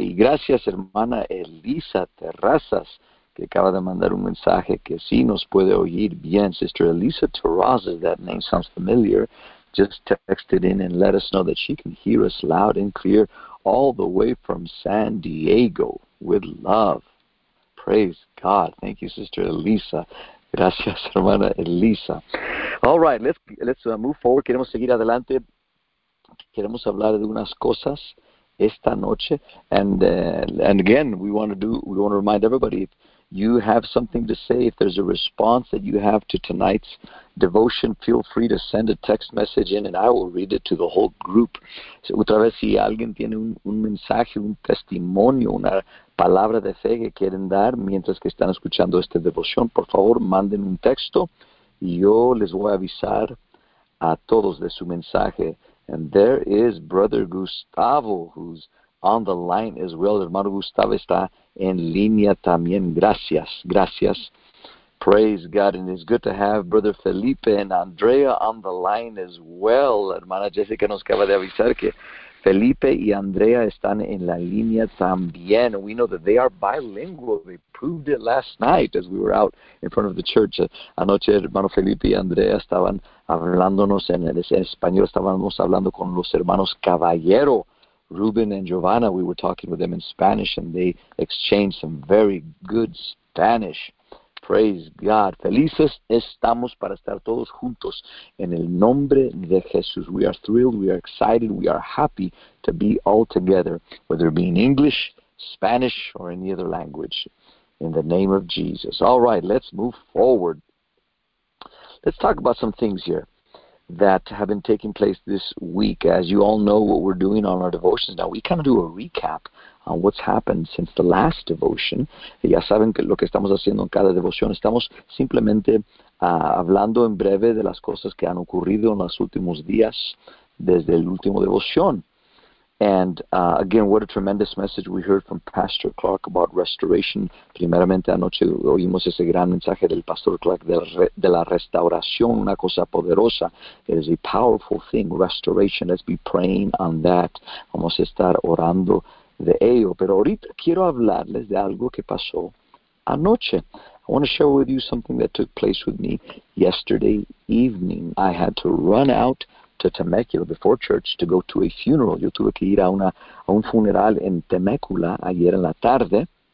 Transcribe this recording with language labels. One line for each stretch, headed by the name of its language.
Spanish: Y gracias, hermana Elisa Terrazas, que acaba de mandar un mensaje que sí nos puede oír bien.
English: Sister Elisa Terrazas, that name sounds familiar. Just texted in and let us know that she can hear us loud and clear all the way from San Diego with love. Praise God. Thank you, Sister Elisa.
Spanish: Gracias, hermana Elisa.
English: All right, let's move forward.
Spanish: Queremos seguir adelante. Queremos hablar de unas cosas esta noche.
English: And again, we want to remind everybody, if you have something to say, if there's a response that you have to tonight's devotion, feel free to send a text message in and I will read it to the whole group.
Spanish: Otra vez, si alguien tiene un mensaje, un testimonio, una palabra de fe que quieren dar mientras que están escuchando esta devoción, por favor, manden un texto y yo les voy a avisar a todos de su mensaje.
English: And there is Brother Gustavo, who's on the line as well.
Spanish: Hermano Gustavo está en línea también. Gracias, gracias.
English: Praise God. And it's good to have Brother Felipe and Andrea on the line as well.
Spanish: Hermana Jessica nos acaba de avisar que Felipe y Andrea están en la línea también.
English: We know that they are bilingual. They proved it last night as we were out in front of the church.
Spanish: Anoche, hermano Felipe y Andrea estaban hablándonos en español. Estábamos hablando con los hermanos Caballero, Ruben and Giovanna.
English: We were talking with them in Spanish, and they exchanged some very good Spanish. Praise God.
Spanish: Felices estamos para estar todos juntos en el nombre de Jesús.
English: We are thrilled, we are excited, we are happy to be all together, whether it be in English, Spanish, or any other language, in the name of Jesus. All right, let's move forward. Let's talk about some things here that have been taking place this week. As you all know, what we're doing on our devotions now, we kind of do a recap on what's happened since the last devotion.
Spanish: Ya saben que lo que estamos haciendo en cada devoción, estamos simplemente hablando en breve de las cosas que han ocurrido en los últimos días desde el último devoción.
English: And again, what a tremendous message we heard from Pastor Clark about restoration.
Spanish: Primeramente anoche oímos ese gran mensaje del Pastor Clark de la restauración, una cosa poderosa.
English: It is a powerful thing, restoration. Let's be praying on that.
Spanish: Vamos a estar orando de ello. Pero ahorita quiero hablarles de algo que pasó anoche.
English: I want to share with you something that took place with me yesterday evening. I had to run out to Temecula before church to go to a funeral.
Spanish: Yo tuve que ir a un funeral en Temecula ayer en la tarde.